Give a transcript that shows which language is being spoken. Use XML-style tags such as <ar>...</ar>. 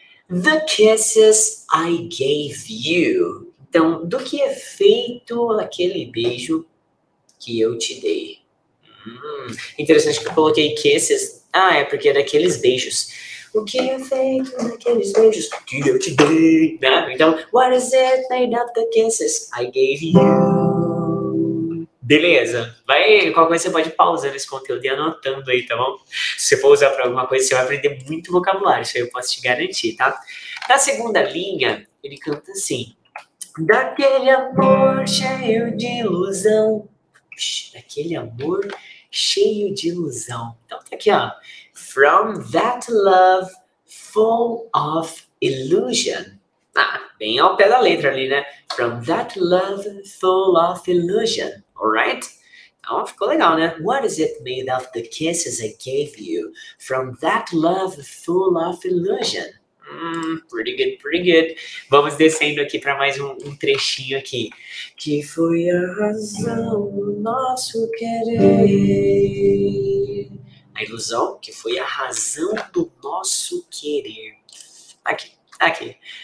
<en>The kisses I gave you.</en> <pt>Então, do que é feito aquele beijo que eu te dei? Interessante que eu coloquei kisses. Ah, é porque é daqueles beijos. O que é feito daqueles beijos que eu te dei? Não, então,</pt> <en>what is it made of the kisses I gave you?</en> <pt>Beleza, vai, qualquer coisa você pode pausar esse conteúdo e anotando aí, tá bom? Se você for usar pra alguma coisa, você vai aprender muito vocabulário, isso aí eu posso te garantir, tá? Na segunda linha, ele canta assim: daquele amor cheio de ilusão. Daquele amor cheio de ilusão. Então tá aqui, ó:</pt> <en>from that love full of illusion.</en> <pt>Ah, bem ao pé da letra ali, né?</pt> <en>From that love full of illusion. Alright?</en> <pt>Então ficou legal, né?</pt> <en>What is it made of the kisses I gave you from that love full of illusion? Pretty good, pretty good.</en> <pt>Vamos descendo aqui para mais um trechinho aqui. Que foi a razão do nosso querer? A ilusão? Que foi a razão do nosso querer? Aqui.</pt>